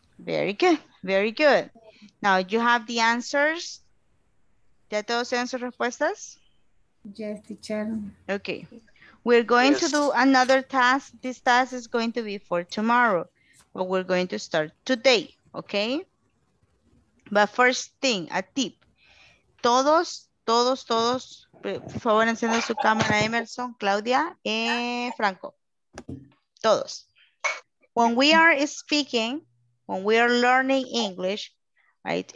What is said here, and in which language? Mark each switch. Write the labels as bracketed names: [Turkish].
[English] Very good. Very good. Now, you have the answers? [Spanish] ¿Ya todos tienen sus respuestas? [English] Yes, teacher. Okay. We're going to do another task. This task is going to be for tomorrow, but we're going to start today, okay? But first thing, a tip. [Spanish] Todos, por favor, encienda su cámara, Emerson, Claudia, Franco. Todos. [English] When we are speaking, when we are learning English, right?